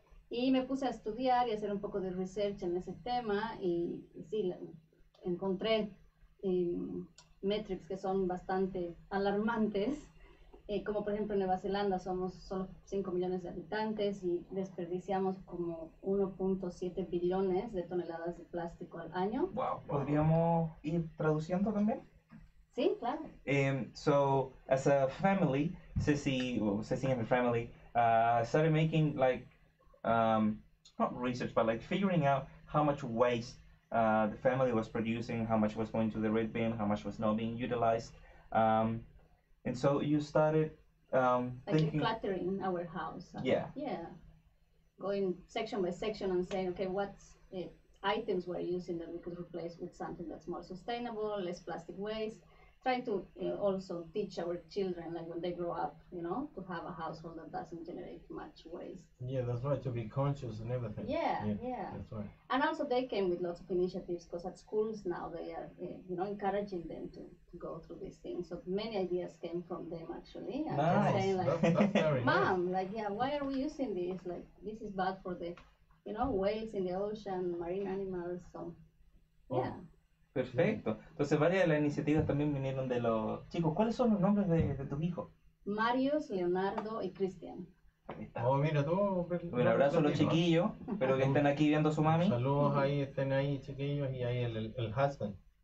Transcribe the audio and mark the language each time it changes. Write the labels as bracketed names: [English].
[Spanish] Y me puse a estudiar y a hacer un poco de research en ese tema y sí, encontré metrics que son bastante alarmantes, como por ejemplo en Nueva Zelanda somos solo 5 millones de habitantes y desperdiciamos como 1.7 billones de toneladas de plástico al año. Wow, ¿podríamos ir traduciendo también? Sí, claro. [English] So, as a family, Ceci and the family, started making like not research, but like figuring out how much waste the family was producing, how much was going to the red bin, how much was not being utilized. And so you started thinking... cluttering our house. Yeah. Yeah. Going section by section and saying, okay, what items we're using that we could replace with something that's more sustainable, less plastic waste. Trying to also teach our children, like when they grow up, you know, to have a household that doesn't generate much waste. Yeah, that's right, to be conscious and everything. Yeah. That's right. And also they came with lots of initiatives because at schools now they are, you know, encouraging them to go through these things. So many ideas came from them, actually. And nice. Saying, like, that's very Mom, nice. Like, yeah, why are we using this? Like, this is bad for the, you know, whales in the ocean, marine animals, so, yeah. [Spanish] Perfecto. Entonces, varias de las iniciativas también vinieron de los chicos. ¿Cuáles son los nombres de tus hijos? Marius, Leonardo y Cristian. Oh, mira tú. Un abrazo a los chiquillos. Espero que estén aquí viendo a su mami. Saludos ahí, estén ahí, chiquillos, y ahí el husband.